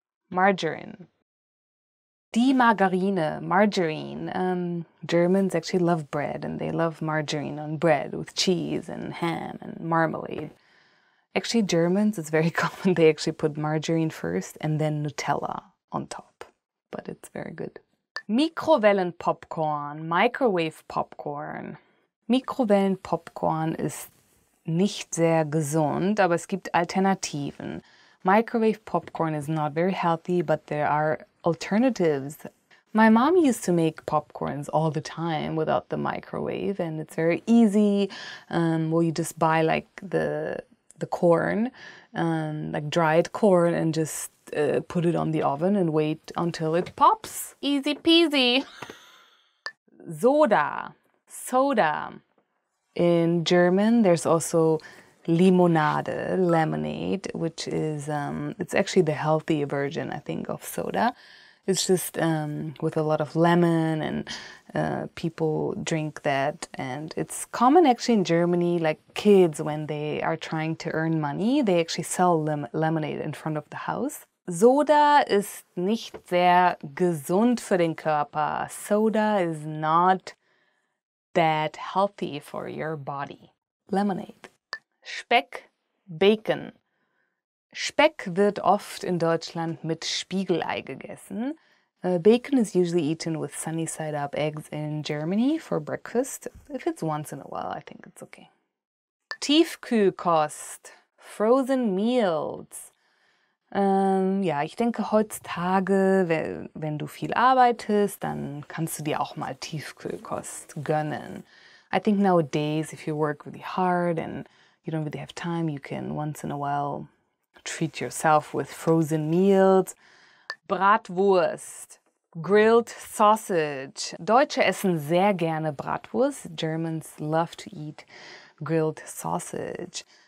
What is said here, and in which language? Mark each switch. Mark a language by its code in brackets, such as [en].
[de] Margarine. Die Margarine, margarine. [en] Germans actually love bread and they love margarine on bread with cheese and ham and marmalade. Actually, Germans, it's very common, they actually put margarine first and then Nutella on top. But it's very good. [de] Mikrowellen Popcorn ist nicht sehr gesund, aber es gibt Alternativen. [en] Microwave popcorn is not very healthy, but there are alternatives. My mom used to make popcorns all the time without the microwave, and it's very easy. Well, you just buy like the corn, like dried corn, and just put it on the oven and wait until it pops. Easy peasy. Soda. Soda. In German, there's also Limonade, lemonade, which is, it's actually the healthy version, I think, of soda. It's just with a lot of lemon, and people drink that. And it's common actually in Germany, like kids, when they are trying to earn money, they actually sell lemonade in front of the house. [de] Soda ist nicht sehr gesund für den Körper. [en] Soda is not that healthy for your body. Lemonade. [de] Speck, Bacon. Speck wird oft in Deutschland mit Spiegelei gegessen. [en] Bacon is usually eaten with sunny-side-up eggs in Germany for breakfast. If it's once in a while, I think it's okay. [de] Tiefkühlkost, [en] frozen meals. [de] Ja, ich denke, heutzutage, wenn du viel arbeitest, dann kannst du dir auch mal Tiefkühlkost gönnen. [en] I think nowadays, if you work really hard and you don't really have time, you can once in a while treat yourself with frozen meals. [de] Bratwurst, [en] grilled sausage. [de] Deutsche essen sehr gerne Bratwurst. [en] Germans love to eat grilled sausage.